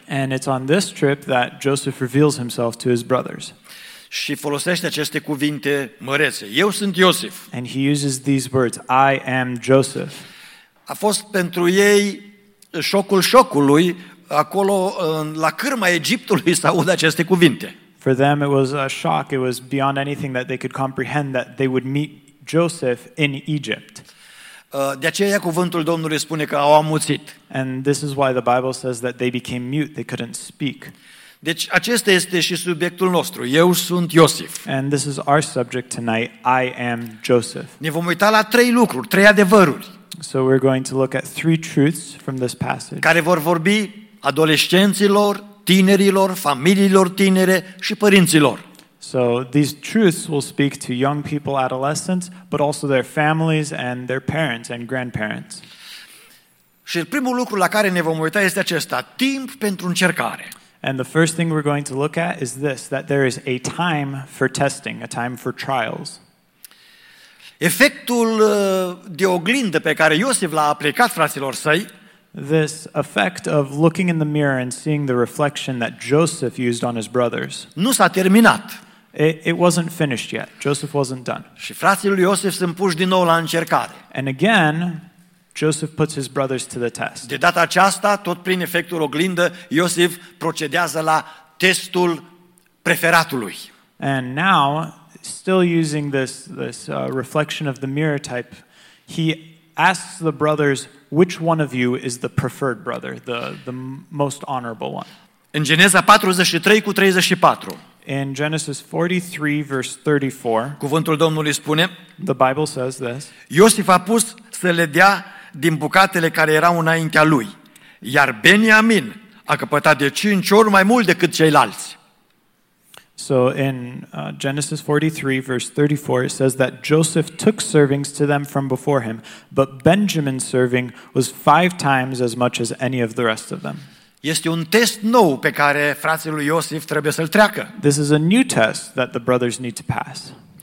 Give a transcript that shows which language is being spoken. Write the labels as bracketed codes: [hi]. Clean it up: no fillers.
[en] And it's on this trip that Joseph reveals himself to his brothers. [ro] Și folosește aceste cuvinte mărețe. Eu sunt Iosif. [en] And he uses these words, I am Joseph. [ro] A fost pentru ei șocul șocului acolo la cârma Egiptului să audă aceste cuvinte. [en] For them it was a shock, it was beyond anything that they could comprehend that they would meet Joseph in Egypt. [ro] De aceea cuvântul Domnului spune că au amuțit. [en] And this is why the Bible says that they became mute, they couldn't speak. [ro] Deci acesta este și subiectul nostru. Eu sunt Iosif. [en] And this is our subject tonight. I am Joseph. [ro] Ne vom uita la trei lucruri, trei adevăruri. [en] So we're going to look at three truths from this passage. [ro] Care vor vorbi adolescenților, tinerilor, familiilor tinere și părinților. [en] So these truths will speak to young people, adolescents, but also their families and their parents and grandparents. [ro] Și primul lucru la care ne vom uita este acesta: timp pentru încercare. [en] And the first thing we're going to look at is this, that there is a time for testing, a time for trials. [ro] Efectul de oglindă pe care Iosif l-a aplicat fraților săi, [en] this effect of looking in the mirror and seeing the reflection that Joseph used on his brothers, [ro] nu s-a terminat. [en] It wasn't finished yet. Joseph wasn't done. [ro] Și frații lui Iosif sunt puși din nou la încercare. [en] And again, Joseph puts his brothers to the test. [ro] De data aceasta, tot prin efectul oglindă, Iosif procedează la testul preferatului. [en] And now, still using this reflection of the mirror type, he asks the brothers, which one of you is the preferred brother, the most honorable one? [ro] În Geneza 43:34. [en] In Genesis 43, verse 34, [ro] cuvântul Domnului spune, [en] the Bible says this, [ro] Iosif a pus să le dea din bucatele care erau înaintea lui, iar Beniamin a căpătat de 5 ori mai mult decât ceilalți. [en] So in Genesis 43, verse 34, it says that Joseph took servings to them from before him, but Benjamin's serving was 5 times as much as any of the rest of them. [ro] Este un test nou pe care frații lui Iosif trebuie să-l treacă. [en] This is a new test that the brothers need to pass.